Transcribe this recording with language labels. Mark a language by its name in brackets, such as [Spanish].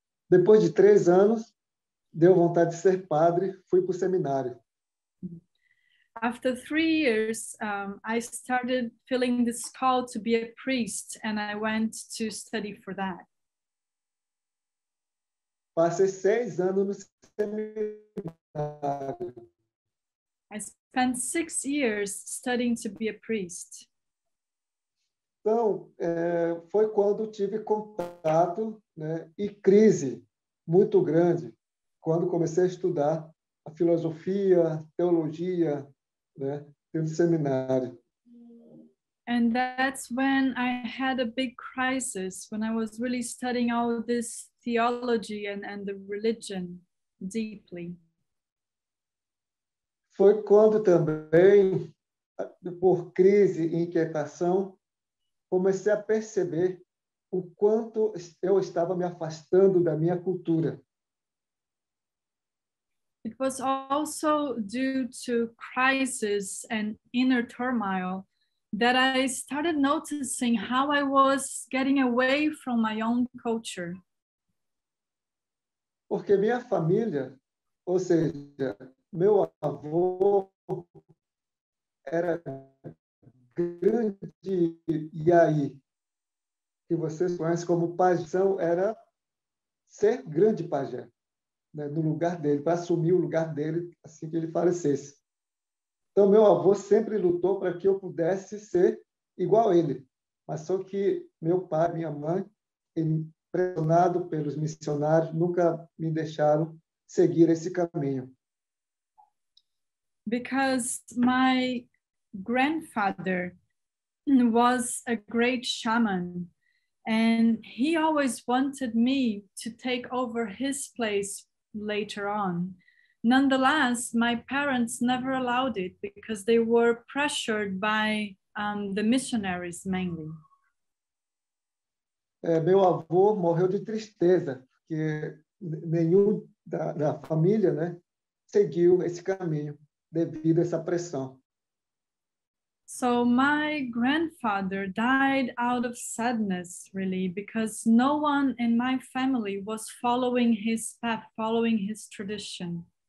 [Portuguese] Depois de 3 anos, deu vontade de ser padre, fui para o seminário. [English] After 3 years, I started feeling this call to be a priest and I went to study for that. [Portuguese] Passei 6 anos no seminário. [English] I spent 6 years studying to be a priest. [Portuguese] Então, foi quando tive contato, né, e crise muito grande, quando comecei a estudar a filosofia, teologia, né, no seminário. [English] And that's when I had a big crisis, when I was really studying all this theology and the religion deeply. [Portuguese] Foi quando também, por crise e inquietação, comecei a perceber o quanto eu estava me afastando da minha cultura. [English] It was also due to crisis and inner turmoil that I started noticing how I was getting away from my own culture. [Portuguese] Porque minha família, ou seja, meu avô era grande Yai, que vocês conhecem como pajão, era ser grande pajé, né, no lugar dele, para assumir o lugar dele assim que ele falecesse. Então, meu avô sempre lutou para que eu pudesse ser igual a ele, mas só que meu pai e minha mãe, impressionado pelos missionários, nunca me deixaram seguir esse caminho. [English] Because my grandfather was a great shaman and he always wanted me to take over his place later on. Nonetheless, my parents never allowed it because they were pressured by the missionaries mainly. [Portuguese] Meu avô morreu de tristeza, porque nenhum da família, né, seguiu esse caminho devido a essa pressão. [English] So my grandfather died out of sadness, really, because no one in my family was following his path, following his tradition.